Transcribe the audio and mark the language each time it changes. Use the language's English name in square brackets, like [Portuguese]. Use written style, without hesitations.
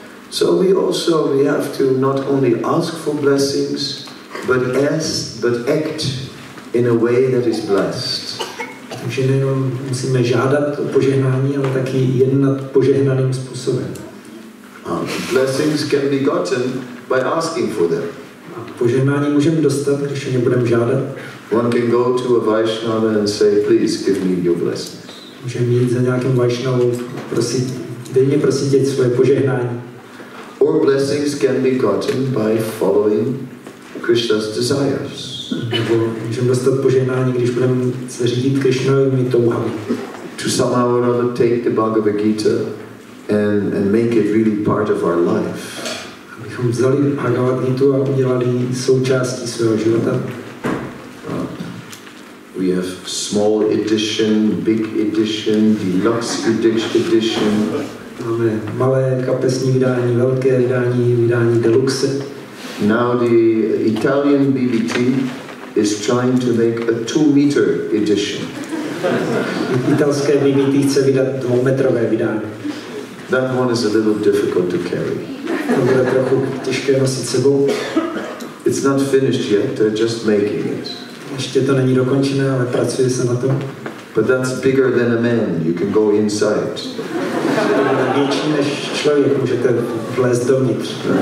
[English] So we have to not only ask for blessings, but act in a way that is blessed. [Czech] Takže nejenom musíme žádat o požehnání, ale taky jednat požehnaným způsobem. [English] Blessings can be gotten by asking for them. [Czech] A požehnání můžeme dostat, když o ně budeme žádat. [English] One can go to a Vaishnava and say, please give me your blessings. [Czech] Můžeme jít za nějakým Vaishnavou, prosit, dej mi prosit dět svoje požehnání. [English] Or blessings can be gotten by following Krishna's desires. [Czech] Nebo můžeme dostat požehnání, když budeme se řídit Krishnovými touhami. [English] To somehow or another take the Bhagavad Gita and make it really part of our life. [Czech] Abychom vzali Bhagavad Gitu a udělali součástí svého života. [English] We have small edition, big edition, deluxe edition. [Czech] Máme malé kapesní vydání, velké vydání, vydání deluxe. [English] Now the Italian BBT is trying to make a 2-meter edition. [Czech] Italské BBT chce vydat 2-metrové vydání. [English] That one is a little difficult to carry. [Czech] To bude trochu těžké nosit sebou. [English] It's not finished yet, they're just making it. [Czech] Ještě to není dokončené, ale pracuje se na tom. [English] But that's bigger than a man, you can go inside. [Czech] Větší než člověk, můžete vlézt dovnitř.